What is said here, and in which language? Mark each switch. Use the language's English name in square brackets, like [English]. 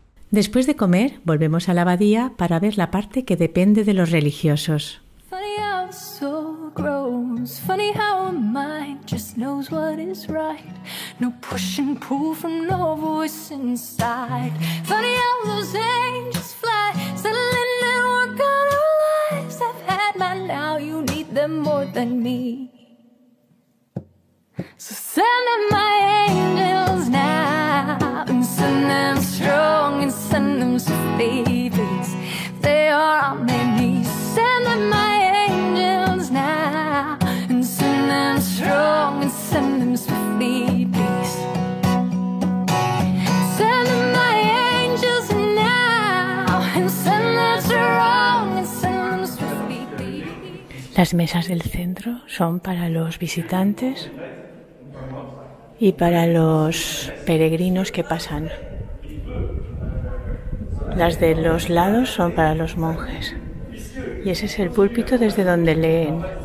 [Spanish] Después de comer, volvemos a la abadía para ver la parte que depende de los religiosos. [English] Funny how the soul grows. Funny how a mind just knows what is right. No push and pull from no voice inside. Funny how those angels fly. Settling and work on our lives. I've had my now, you need them more than me. So send them my angels now. And send them strong and send them sweet babies. They are all they need. Send them my angels now. And send them strong and send them sweet babies. Send them my angels now. And send them strong and send them sweet babies. [Spanish] Las mesas del centro son para los visitantes y para los peregrinos que pasan. Las de los lados son para los monjes. Y ese es el púlpito desde donde leen.